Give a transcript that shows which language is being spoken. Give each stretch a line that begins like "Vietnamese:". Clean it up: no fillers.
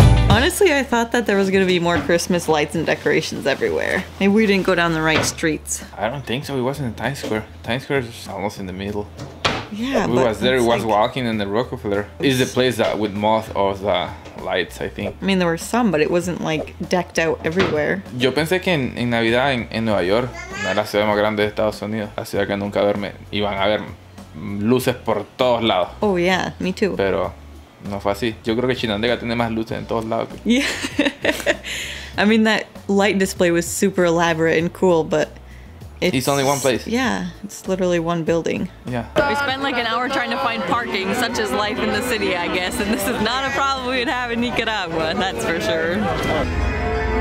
English: Honestly, I thought that there was gonna be more Christmas lights and decorations everywhere. Maybe we didn't go down the right streets. I don't think so. It wasn't in Times Square. Times Square is almost in the middle. Yeah, we was there. Was walking in the Rockefeller. It's the place that with most of the lights, I think. I mean, there were some, but it wasn't like decked out everywhere.
Spanish: Yo pensé que en Navidad en Nueva York, una de las ciudades más grandes de Estados Unidos, la ciudad que nunca duerme, iban a ver luces por todos lados.
English: Oh yeah, me too.
Spanish: Pero no fue así. Yo creo que Chinandega tiene más luces en todos lados.
English: Yeah. I mean, that light display was super elaborate and cool, but it's only one place. Yeah, it's literally one building. Yeah. We spent like an hour trying to find parking, such as life in the city, I guess. And this is not a problem we would have in Nicaragua, that's for sure.